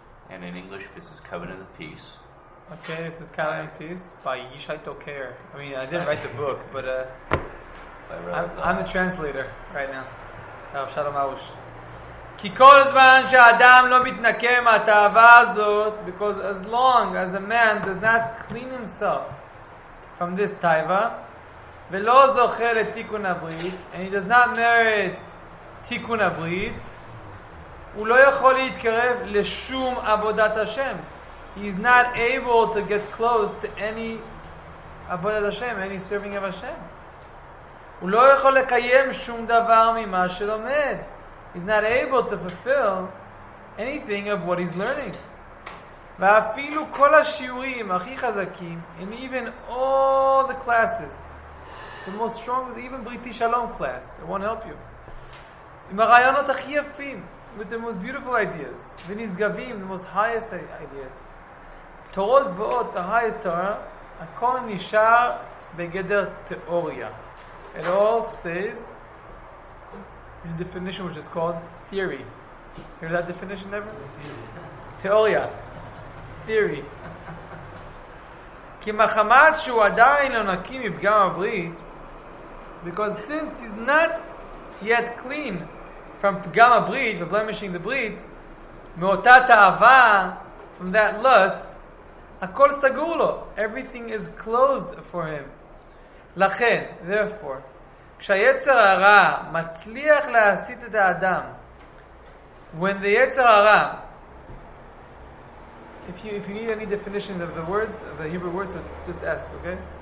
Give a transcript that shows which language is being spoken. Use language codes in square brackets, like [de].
[en] And in English, this is Covenant of Peace. Okay, this is Covenant of Peace by Yishai Toker. I mean, I didn't write the book, but I'm the translator right now. [he] Shalom Aush. כי כל זמן שאדם לא מתנקם מהתאווה הזאת, [en] because as long as a man does not clean himself from this taiva, [he] ולא זוכה לתיקון הברית, [en] and he does not merit [he] תיקון הברית, הוא לא יכול להתקרב לשום עבודת השם. [en] He is not able to get close to any עבודת השם, any serving of השם. [he] הוא לא יכול לקיים שום דבר ממה שלומד. [en] He's not able to fulfill anything of what he's learning. [he] ואפילו כל השיעורים הכי חזקים, [en] and even all the classes, the most strongest, even Briti Shalom class, it won't help you. [he] עם הרעיונות הכי יפים, [en] with the most beautiful ideas, [he] ונשגבים, [en] the most highest ideas. [he] תורות גבוהות, [en] the highest Torah, [he] הכל נשאר בגדר תיאוריה. [en] It all stays the definition, which is called theory. Hear that definition ever? Teoria. Theory. [he] כי מחמת שהוא עדיין לא נקי מפגם הברית, [en] because since he's not yet clean from פגם הברית, from blemishing the ברית, [he] מאותה תאווה, [en] from that lust, [he] הכל סגור לו. [en] Everything is closed for him. [he] לכן, [en] therefore, [he] כשהיצר הרע מצליח להסיט את האדם, [en] when the יצר הרע, if you need any definitions of the words, of the Hebrew words, just ask, okay?